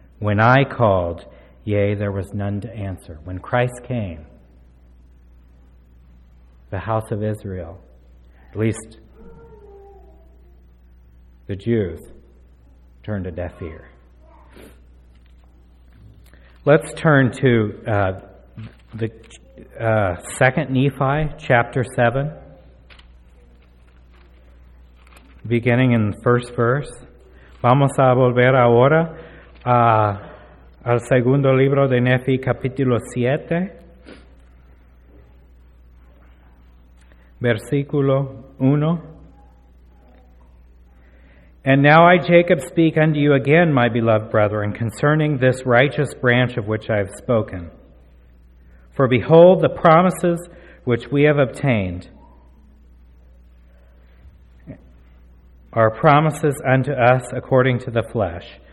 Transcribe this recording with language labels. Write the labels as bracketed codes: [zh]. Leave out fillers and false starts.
[en] When I called, yea, there was none to answer. When Christ came, the house of Israel, at least the Jews, turned a deaf ear. Let's turn to the 2 Nephi, chapter 7. Beginning in the first verse. [es] Vamos a volver ahora al segundo libro de Nefi, capítulo 7, versículo 1. [en] And now I, Jacob, speak unto you again, my beloved brethren, concerning this righteous branch of which I have spoken. For behold, the promises which we have obtained are promises unto us according to the flesh.